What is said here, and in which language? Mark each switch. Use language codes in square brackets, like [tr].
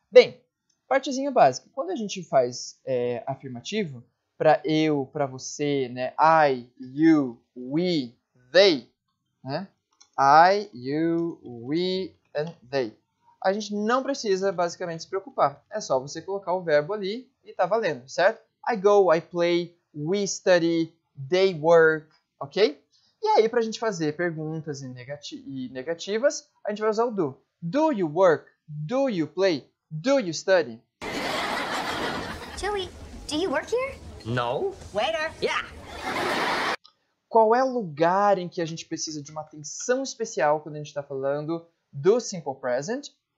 [pt] Bem, partezinha básica, quando a gente faz afirmativo, para eu, para você, né? [en] I, you, we, they, né? I, you, we, and they. [pt] A gente não precisa, basicamente, se preocupar. É só você colocar o verbo ali e tá valendo, certo? [en] I go, I play, we study, they work, ok? [pt] E aí, pra gente fazer perguntas e negativas, a gente vai usar o do. [en] Do you work? Do you play? Do you study? Joey, do you work here? No. Waiter. Yeah. [pt] Qual é o lugar em que a gente precisa de uma atenção especial quando a gente está falando do simple present?